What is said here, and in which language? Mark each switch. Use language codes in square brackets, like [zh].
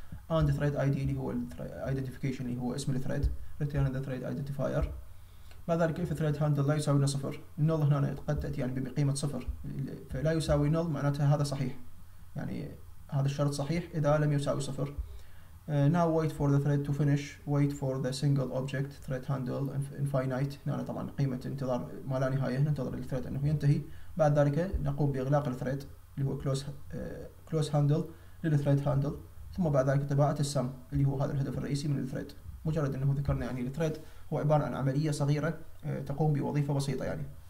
[en] and thread I D [ar] اللي هو الايدنتيفيكيشن اللي هو اسم الثريد، [en] Return the thread identifier. [ar] بعد ذلك اف ثريد هاندل لا يساوي صفر، النل هنا قد تاتي يعني بقيمه صفر، فلا يساوي نل معناتها هذا صحيح، يعني هذا الشرط صحيح اذا لم يساوي صفر. [en] Now wait for the thread to finish. Wait for the single object thread handle infinite. [ar] هنا طبعا قيمة انتظار ما لا نهاية، ننتظر الثريد أنه ينتهي. بعد ذلك نقوم بإغلاق الثريد اللي هو close handle للثريد handle، ثم بعد ذلك طباعة السم اللي هو هذا الهدف الرئيسي من الثريد. مجرد أنه ذكرنا يعني الثريد هو عبارة عن عملية صغيرة تقوم بوظيفة بسيطة يعني.